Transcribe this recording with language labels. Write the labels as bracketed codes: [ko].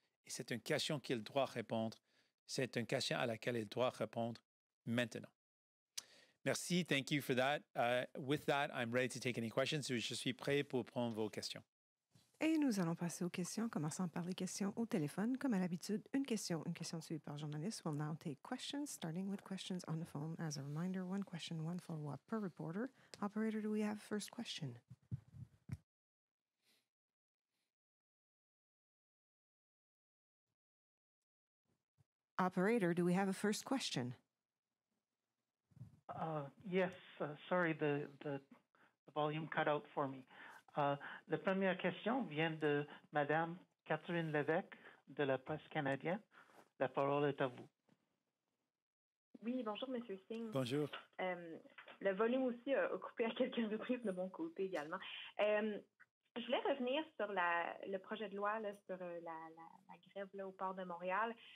[fr] Et c'est une question qu'il doit répondre. C'est une question à laquelle il doit répondre maintenant. Merci. [en] Thank you for that. With that, I'm ready to take any questions. [fr] Je suis prêt pour prendre vos questions. Et nous allons passer aux questions, commençant par les questions au téléphone. Comme à l'habitude, une question suivie par journaliste. [en] We'll now take questions, starting with questions on the phone. As a reminder, one question, one follow-up per reporter. Operator, do we have first question? Operator, do we have a first question? Yes, sorry, the volume cut out for me. [fr] La première question vient de Madame Catherine Lévesque de la Presse canadienne. La parole est à vous. Oui, bonjour, Monsieur Singh. Bonjour. Le volume aussi a coupé à quelques reprises de mon côté également. Je voulais revenir sur le projet de loi là, sur la grève là, au port de Montréal.